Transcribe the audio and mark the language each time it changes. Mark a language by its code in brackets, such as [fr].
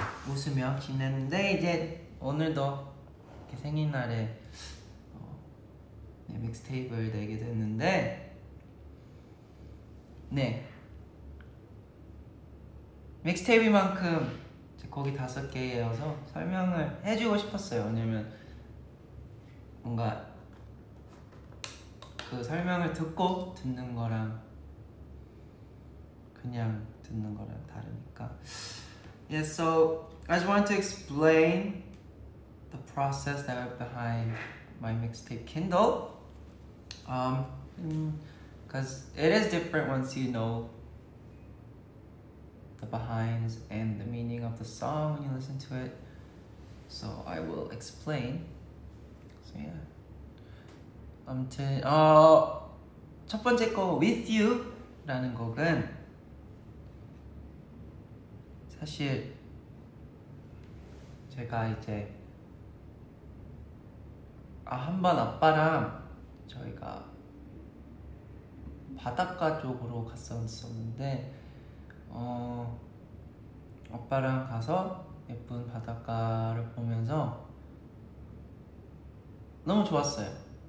[ko] 웃으며 지냈는데 이제 오늘도 이렇게 생일날에 네, 믹스테이프를 내게 됐는데 네 믹스테이프만큼 곡이 다섯 개여서 설명을 해주고 싶었어요. 왜냐면 뭔가 그 설명을 듣고 듣는 거랑 그냥 듣는 거랑 다르니까. [en] Yeah, so I just wanted to explain the process that went behind my mixtape Kindle. Because it is different once you know the behinds and the meaning of the song when you listen to it. So I will explain. So yeah. [ko] 아무튼 첫 번째 곡 With You라는 곡은 사실 제가 이제 한번 아빠랑 저희가 바닷가 쪽으로 갔었었는데 아빠랑 가서 예쁜 바닷가를 보면서 너무 좋았어요.